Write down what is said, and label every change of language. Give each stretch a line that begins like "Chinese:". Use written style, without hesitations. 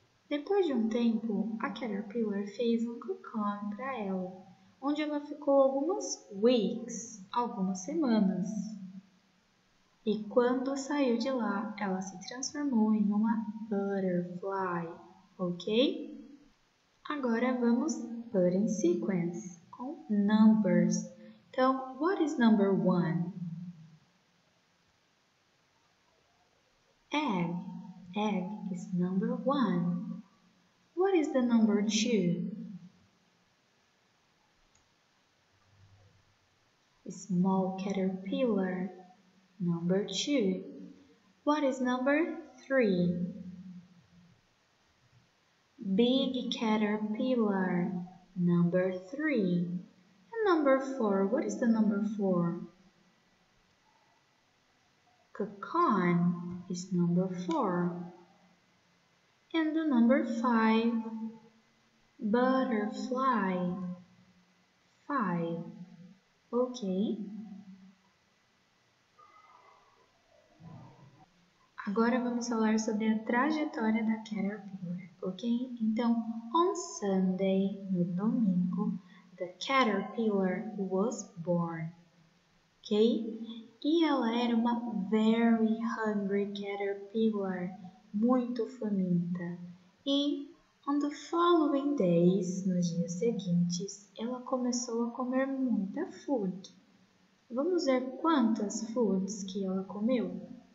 Portuguese: Depois de um tempo, a caterpillar fez um cocoon para ela, onde ela ficou algumas weeks, algumas semanas. E quando saiu de lá, ela se transformou em uma butterfly, ok? Agora vamos
English: put in sequence, com numbers. Então, what is number one? Egg. Egg is number one. What is the number two? Small caterpillar, number two. What is number three? Big caterpillar, number three. And number four, what is the number four? Cocoon is number four. And the number five, butterfly, five, ok?
Portuguese: Agora vamos falar sobre a trajetória da caterpillar, ok?
English: Então, on Sunday,
Portuguese: no domingo,
English: the caterpillar was born, ok?
Portuguese: E ela era uma
English: very hungry caterpillar,
Portuguese: muito faminta. E
English: on the following days,
Portuguese: nos dias seguintes, ela começou a comer muita food. Vamos ver quantas foods que ela comeu.